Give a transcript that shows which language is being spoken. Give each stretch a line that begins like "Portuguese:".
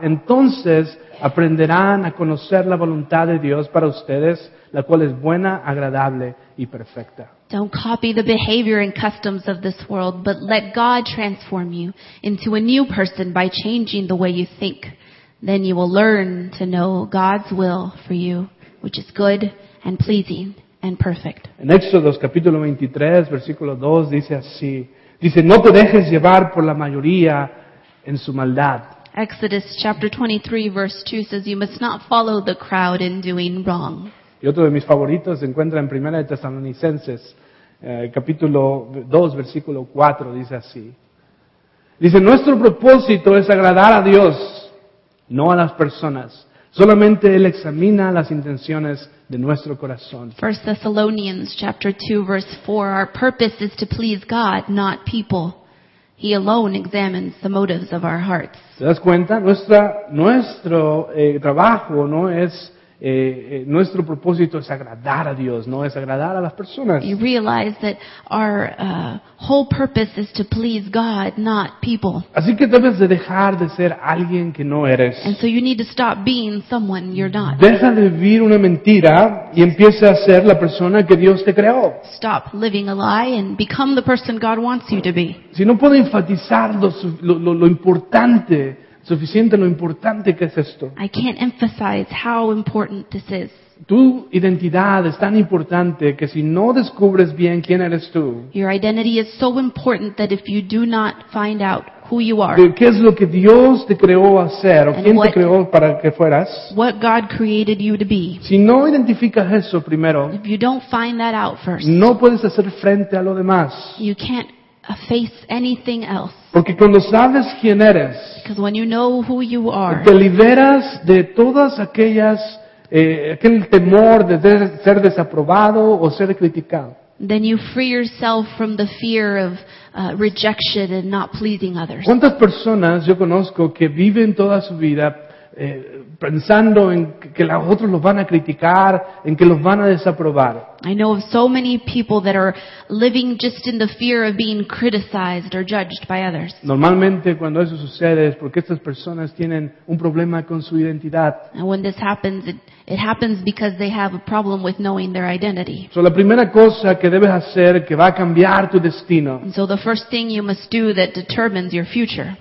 Spanish: Entonces, aprenderán a conocer la voluntad de Dios para ustedes, la cual es buena, agradable y perfecta.
English: Don't copy the behavior and customs of this world, but let God transform you into a new person by changing the way you think. Then you will learn to know God's will for you, which is good and pleasing and perfect.
Spanish: En Éxodo capítulo 23, versículo 2 dice así. Dice, no te dejes llevar por la mayoría en su maldad.
English: Exodus chapter 23 verse 2 says you must not follow the crowd in doing wrong.
Spanish: Y otro de mis favoritos se encuentra en Primera de Tesalonicenses, capítulo 2 versículo 4 dice así. Dice, nuestro propósito es agradar a Dios, no a las personas. Solamente Él examina las intenciones de nuestro corazón.
English: 1 Thessalonians chapter 2 verse 4, our purpose is to please God, not people. He alone examines the motives of our hearts.
Spanish: ¿Te das cuenta? Nuestro trabajo no es nuestro propósito es agradar a Dios, no es agradar a las personas.
English: You realize that our whole purpose is to please God, not people.
Spanish: Así que debes de dejar de ser alguien que no eres.
English: And so you need to stop being someone you're not.
Spanish: Deja de vivir una mentira y empieza a ser la persona que Dios te creó.
English: Stop living a lie and become the person God wants you to be.
Spanish: Si no puedo enfatizar lo importante. Suficiente lo importante que es esto.
English: I can't emphasize how important this is.
Spanish: Tu identidad es tan importante que si no descubres bien quién eres tú.
English: Your identity is so important that if you do not find out who you are.
Spanish: ¿Qué es lo que Dios te creó a ser o quién te creó para que fueras?
English: What God created you to be.
Spanish: Si no identificas eso primero.
English: If you don't find that out first.
Spanish: No puedes hacer frente a lo demás.
English: You can't face anything else.
Spanish: Porque cuando sabes quién eres,
English: because when you know who you are,
Spanish: te liberas de todas aquellas aquel temor de ser desaprobado o ser criticado.
English: Then you free yourself from the fear of rejection and not pleasing others.
Spanish: ¿Cuántas personas yo conozco que viven toda su vida pensando en que los otros los van a criticar, en que los van a desaprobar?
English: I know of so many people that are living just in the fear of being criticized or judged by others.
Spanish: Normalmente cuando eso sucede es porque estas personas tienen un problema con su identidad.
English: And when this happens, it happens because they have a problem with knowing their identity.
Spanish: So la primera cosa que debes hacer que va a cambiar tu destino.
English: And so the first thing you must do that determines your future.